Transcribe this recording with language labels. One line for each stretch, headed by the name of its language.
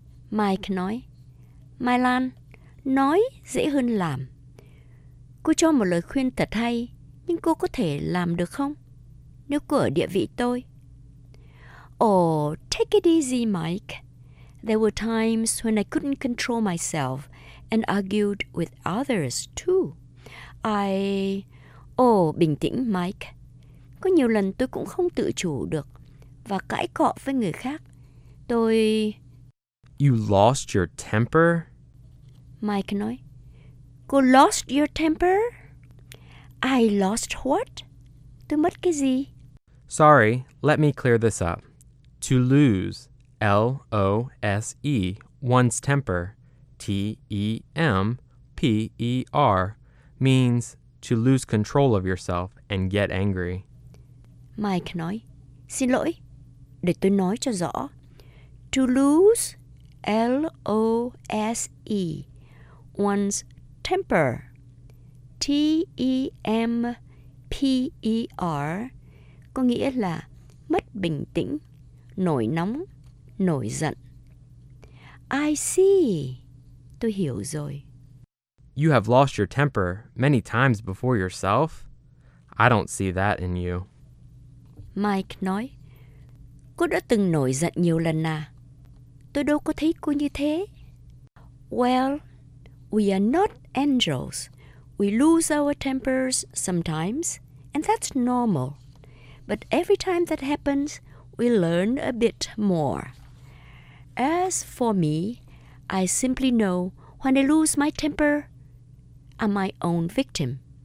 Vietnamese: Mike nói, Milan, nói dễ hơn làm. Cô cho một lời khuyên thật hay, nhưng cô có thể làm được không? Nếu cô ở địa vị tôi.
English: Oh, take it easy, Mike. There were times when I couldn't control myself and argued with others, too.
Vietnamese: Oh, bình tĩnh, Mike. Có nhiều lần tôi cũng không tự chủ được và cãi cọ với người khác. Tôi...
English: You lost your temper?
Vietnamese: Mike nói. Cô
English: lost your temper? I lost what?
Vietnamese: Tôi mất cái gì?
English: Sorry, let me clear this up. To lose, L-O-S-E, one's temper, T-E-M-P-E-R, means to lose control of yourself and get angry.
Vietnamese: Mike nói, xin lỗi, để tôi nói cho rõ.
English: To lose, L-O-S-E, one's temper, T-E-M-P-E-R,
Vietnamese: có nghĩa là mất bình tĩnh, nổi nóng, nổi giận.
English: I see,
Vietnamese: tôi hiểu rồi.
English: You have lost your temper many times before yourself. I don't see that in you.
Vietnamese: Mike nói, cô đã từng nổi giận nhiều lần à? Tôi đâu có thấy cô như thế.
English: Well, we are not angels. We lose our tempers sometimes, and that's normal. But every time that happens, we learn a bit more. As for me, I simply know when I lose my temper, I'm my own victim.